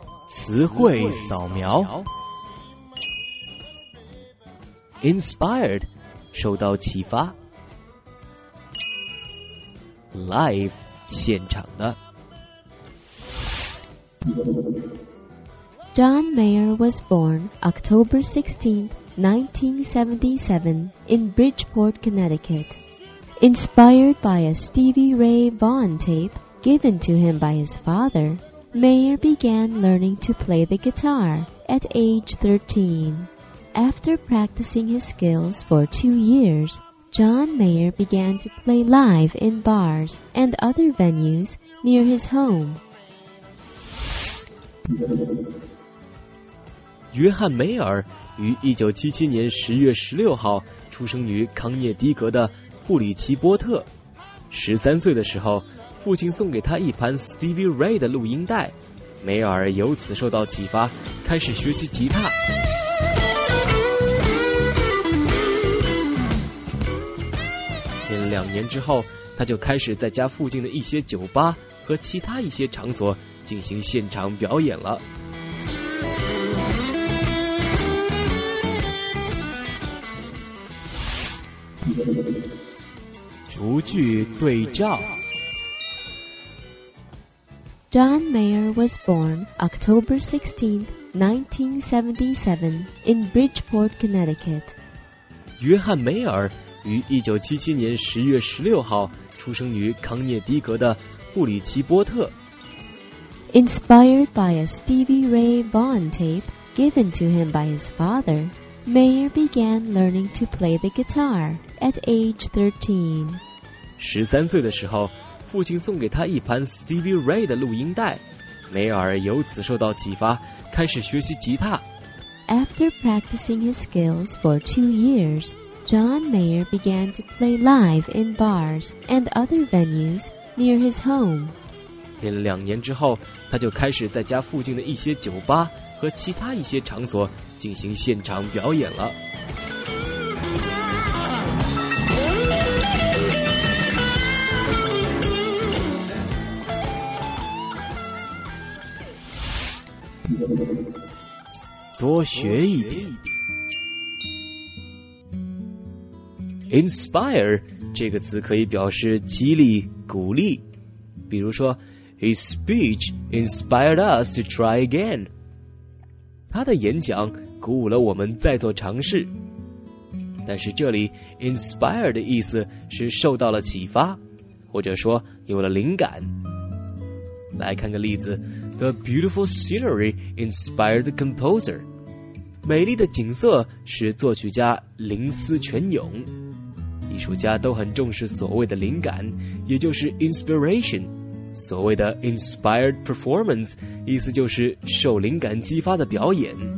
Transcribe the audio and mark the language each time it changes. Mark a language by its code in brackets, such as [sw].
[zh] 词汇扫描 ：inspired， 受到启发 ；live， 现场的。 [en] John Mayer was born October 16th, 1977, in Bridgeport, Connecticut. Inspired by a Stevie Ray Vaughan tape given to him by his father, Mayer began learning to play the guitar at age 13. After practicing his skills for 2 years, John Mayer began to play live in bars and other venues near his home. [zh] 约翰·梅尔于1977年10月16号出生于康涅狄格的布里奇波特。 13岁的时候，父亲送给他一盘 Stevie Ray 的录音带，梅尔由此受到启发，开始学习吉他。两年之后，他就开始在家附近的一些酒吧和其他一些场所进行现场表演了。逐句对照。 [en] John Mayer was born October 16th, 1977, in Bridgeport, Connecticut. [zh] 约翰·梅尔于1977年10月16号出生于康涅狄格的布里奇波特。 [en] Inspired by a Stevie Ray Vaughan tape given to him by his father, Mayer began learning to play the guitar at age 13. [zh] 13岁的时候，父亲送给他一盘 Stevie Ray 的录音带，梅尔由此受到启发，开始学习吉他。 [en] After practicing his skills for 2 years, John Mayer began to play live in bars and other venues near his home. [zh] 两年之后，他就开始在家附近的一些酒吧和其他一些场所进行现场表演了。多学一点。 Inspire 这个词可以表示激励、鼓励，比如说 [en] His speech inspired us to try again. [zh] 他的演讲鼓舞了我们再做尝试。但是这里 inspire 的意思是受到了启发，或者说有了灵感。来看个例子 [en] ,The beautiful scenery inspired the composer. [zh] 美丽的景色使作曲家灵思泉涌。艺术家都很重视所谓的灵感，也就是 inspiration. 所谓的 inspired performance 意思就是受灵感激发的表演。